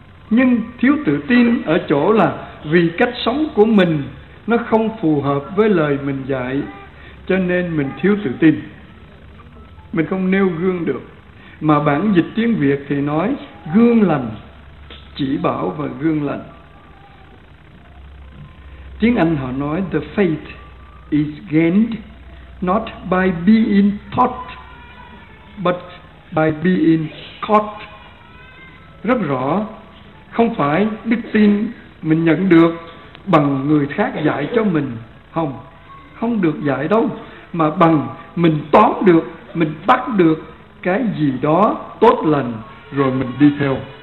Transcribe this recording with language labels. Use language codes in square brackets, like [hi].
[vi] Nhưng thiếu tự tin ở chỗ là vì cách sống của mình nó không phù hợp với lời mình dạy, cho nên mình thiếu tự tin, mình không nêu gương được. Mà bản dịch tiếng Việt thì nói gương lành, chỉ bảo và gương lành. Tiếng Anh họ nói [en] the faith is gained not by being taught but by being caught. [vi] Rất rõ, không phải đức tin mình nhận được bằng người khác dạy cho mình. Không, không được dạy đâu. Mà bằng mình tóm được, mình bắt được cái gì đó tốt lành rồi mình đi theo.